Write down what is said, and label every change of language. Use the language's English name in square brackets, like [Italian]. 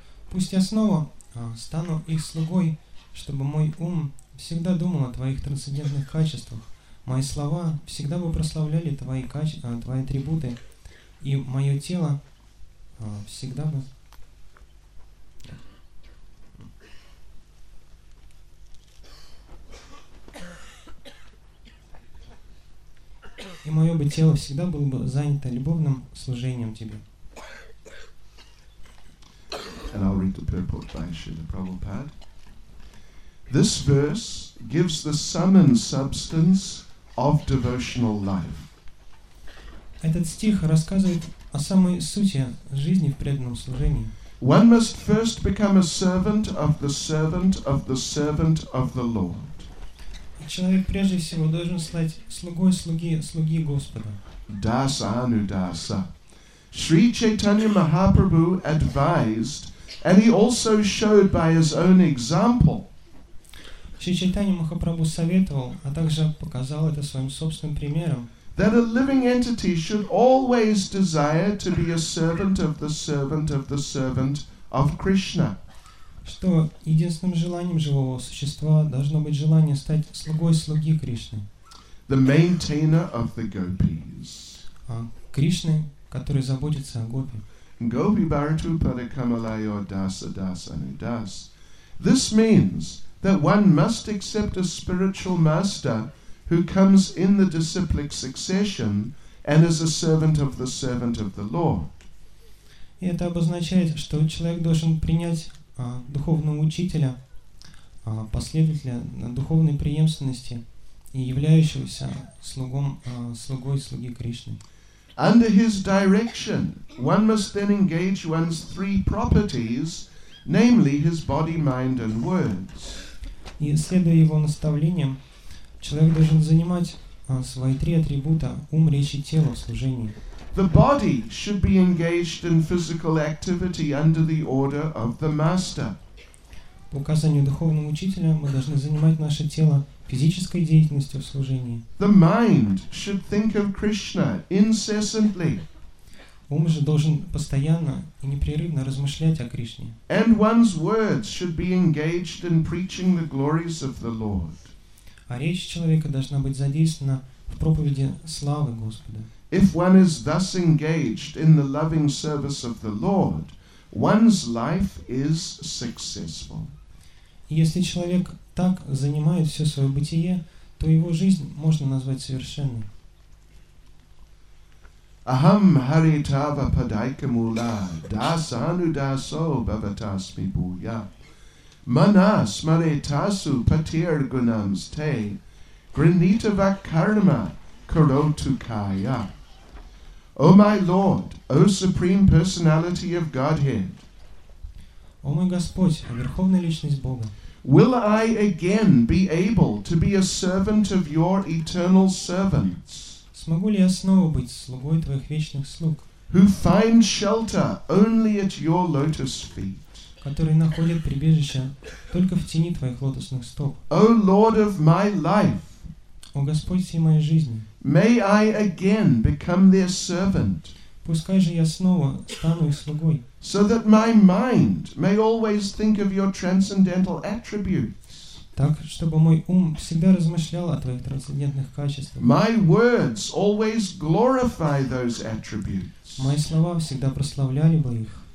[Russian] Пусть я снова стану их слугой, чтобы мой ум всегда думал о Твоих трансцендентных качествах, мои слова всегда бы прославляли Твои твои атрибуты, и мое тело всегда бы... И мое бы тело всегда было бы занято любовным служением Тебе. [English] And I'll read the purport by Srila Prabhupada. This verse gives the sum and substance of devotional life. [Russian] Этот стих рассказывает о самой сути жизни в преданном служении. [English] One must first become a servant of the servant of the servant of the Lord. [Russian] Человек прежде всего должен стать слугой слуги слуги Господа. [Sanskrit] Даса анудаса. [English] Sri Chaitanya Mahaprabhu advised, and he also showed by his own example. [Russian] Шри Чайтанья Махапрабху советовал, а также показал это своим собственным примером. [English] That a living entity should always desire to be a servant of the servant of the servant of Krishna. [Russian] Что единственным желанием живого существа должно быть желание стать слугой слуги Кришны. [English] The maintainer of the gopis. [Russian] Кришны, который заботится о гопи. [Sanskrit] Gopi Bharatu Padakamalayo Dasa Dasanu Das. [English] This means that one must accept a spiritual master who comes in the disciplic succession and is a servant of the Lord. [Russian] И это обозначает, что человек должен принять духовного учителя, последователя духовной преемственности и являющегося слугом, слугой слуги Кришны. [English] Under his direction, one must then engage one's three properties, namely his body, mind, and words. [Russian] И следуя его наставлениям, человек должен занимать свои три атрибута – ум, речь и тело – в служении. [English] The body should be engaged in physical activity under the order of the master. [Russian] По указанию духовного учителя мы должны занимать наше тело физической деятельностью в служении. [English] The mind should think of Krishna incessantly. [Russian] Ум же должен постоянно и непрерывно размышлять о Кришне. [English] And one's words should be engaged in preaching the glories of the Lord. [Russian] А речь человека должна быть задействована в проповеди славы Господа. [English] If one is thus engaged in the loving service of the Lord, one's life is successful. [Russian] Если человек так занимает все свое бытие, то его жизнь можно назвать совершенной. [Sanskrit] Aham hari tava padaika mula dasa anudaso bhavatasmi bhuya mana smare tasu patir gunams te grinita vakarma karotu kaya. [English] O my Lord, O Supreme Personality of Godhead, O my [Russian] Господь, о Верховная Личность Бога, [English] will I again be able to be a servant of your eternal servants? [Russian] Смогу ли я снова быть слугой твоих вечных слуг? [English] Who find shelter only at your lotus feet? [Russian] Которые находят прибежище только в тени твоих лотосных стоп. [English] O Lord of my life, [Russian] о Господь всей моей жизни, [English] may I again become their servant? [Russian] Пускай же я снова стану их слугой. [English] So that my mind may always think of your transcendental attributes. [Russian] Так, чтобы мой ум всегда размышлял о твоих трансцендентных качествах. [English] My words always glorify those attributes. [Russian] Мои слова всегда прославляли бы их.